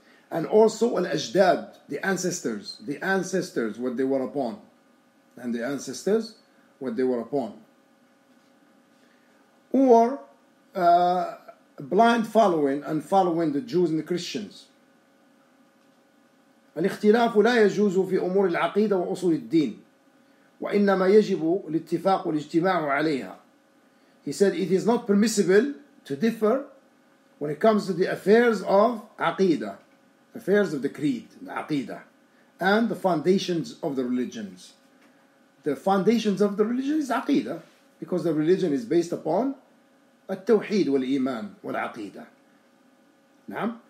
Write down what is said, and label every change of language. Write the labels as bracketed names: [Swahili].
[English] And also al-ajdad, the ancestors, what they were upon, and the ancestors, what they were upon. Or blind following and following the Jews and the Christians. [Arabic] الاختلاف لا يجوز في أمور العقيدة وأصول الدين وإنما يجب الاتفاق والاجتماع عليها. [English] He said it is not permissible to differ when it comes to the affairs of عقيدة, affairs of the creed, the عقيدة, and the foundations of the religions. The foundations of the religion is عقيدة, because the religion is based upon [Arabic] التوحيد والإيمان والعقيدة. نعم.